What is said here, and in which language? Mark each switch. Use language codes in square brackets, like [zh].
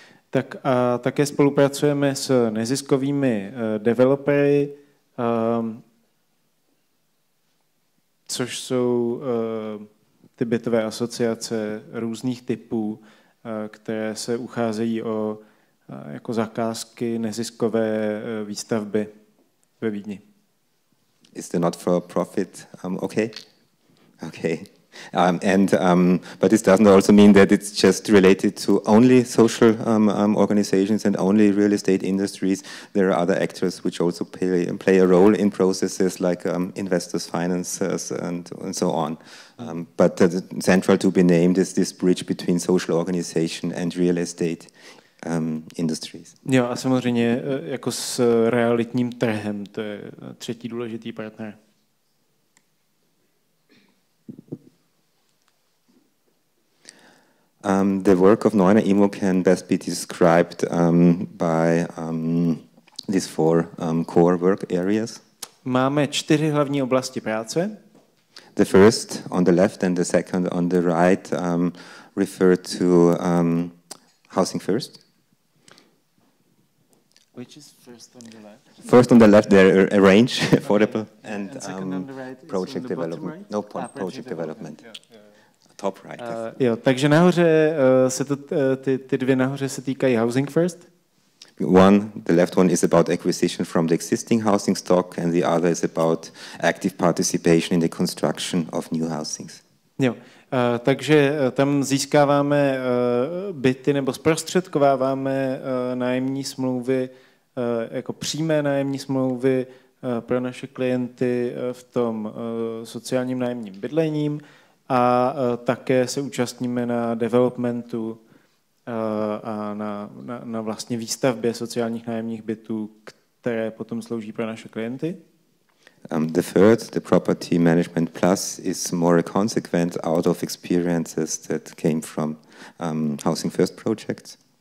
[cs] Tak a také spolupracujeme s neziskovými developery, což jsou ty bytové asociace různých typů, které se ucházejí o jako zakázky neziskové výstavby ve Vídni. [en] Is the not for profit okay? Okay. But this doesn't also mean that it's just related to only social organizations and only real estate industries. There are other actors which also play a role in processes like investors, financiers, and so on. But the central to be named is this bridge between social organization and real estate industries. [cs] Jo, a samozřejmě jako s realitním trhem, to je třetí důležitý partner. [en] The work of Neuner Immo can best be described by these four core work areas. [cs] Máme čtyři hlavní oblasti práce. [en] The first on the left and the second on the right refer to housing first. Which is first on the left? First on the left, there a range affordable and project development. No point project development. Top right. [cs] Jo, takže nahoře se to ty dvě nahoře se týkají housing first. [en] One, the left one is about acquisition from the existing housing stock and the other is about active participation in the construction of new housings. [cs] Jo. Takže tam získáváme byty nebo zprostředkováváme nájemní smlouvy jako přímé nájemní smlouvy pro naše klienty v tom sociálním nájemním bydlením. A také se účastníme na developmentu a na vlastně výstavbě sociálních nájemních bytů, které potom slouží pro naše klienty. [en] The third, the property management plus, is more a consequence out of experiences that came from Housing First projects.